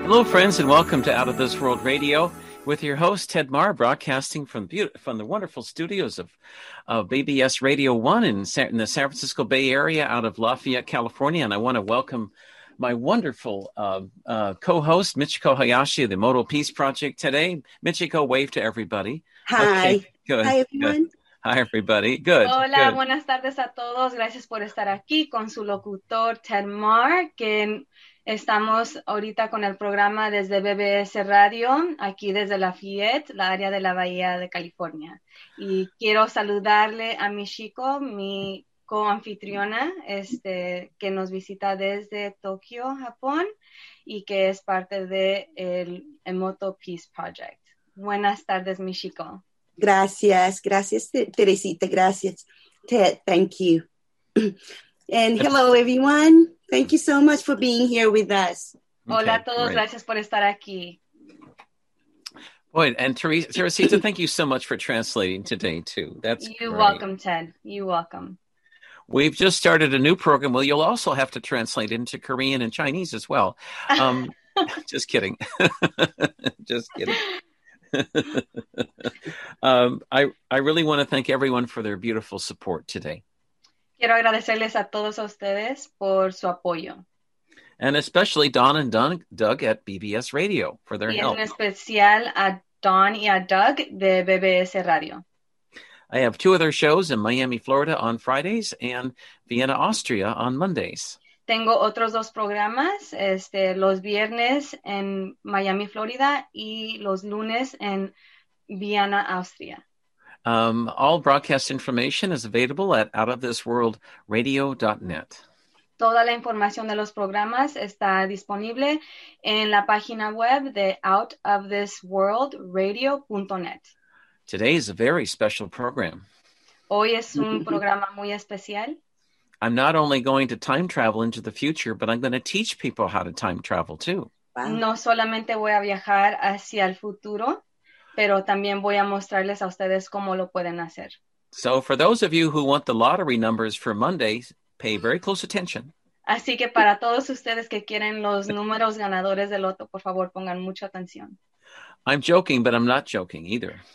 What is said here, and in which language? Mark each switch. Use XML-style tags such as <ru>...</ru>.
<en>friends, and welcome to Out of This World Radio with your host, Ted Marr, broadcasting from the wonderful studios of BBS Radio 1 in the San Francisco Bay Area out of Lafayette, California. And I want to welcome my wonderful co-host, Michiko Hayashi of the Modal Peace Project today. Michiko, wave to everybody. Hi. Okay, good. Hi, everyone. Good. Hi, everybody. Good.</en> <es>Hola,</es> <en>good.</en> <es>Buenas tardes a todos. Gracias por estar aquí con su locutor, Ted Marr, quien estamos ahorita con el programa desde BBS Radio, aquí desde Lafayette, la área de la Bahía de California. Y quiero saludarle a Michiko, mi co-anfitriona, que nos visita desde Tokio, Japón, y que es parte del Emoto Peace Project. Buenas tardes, Michiko. Gracias, gracias, Teresita, gracias.</es> <en>Ted, thank you. And hello, everyone. Thank you so much for being here with us.</en> <es>Okay, hola a todos, great. Gracias por estar aquí.</es> <en>Boy, and Teresita, thank you so much for translating today, too. That's You're great. Welcome, Ted. You're welcome. We've just started a new program. Well, you'll also have to translate into Korean and Chinese as well. just kidding. just kidding. I really want to thank everyone for their beautiful support today.</en> <es>Quiero agradecerles a todos a ustedes por su apoyo.</es> <en>And especially Don and Doug at BBS Radio for their help.</en> <es>Y en especial a Don y a Doug de BBS Radio.</es> <en>I have two other shows in Miami, Florida on Fridays and Vienna, Austria on Mondays.</en> <es>Tengo otros dos programas, los viernes en Miami, Florida, y los lunes en Vienna, Austria.</es> <en>All broadcast information is available at outofthisworldradio.net.</en> <es>Toda la información de los programas está disponible en la página web de outofthisworldradio.net.</es> <en>Today is a very special program.</en> <es>Hoy es un programa muy especial.</es> <en>I'm not only going to time travel into the future, but I'm going to teach people how to time travel too.</en> <es>No solamente voy a viajar hacia el futuro, pero también voy a mostrarles a ustedes cómo lo pueden hacer.</es> <en>So for those of you who want the lottery numbers for Monday, pay very close attention.</en> <es>Así que para todos ustedes que quieren los números ganadores del loto, por favor pongan mucha atención.</es> <en>I'm joking, but I'm not joking either.</en>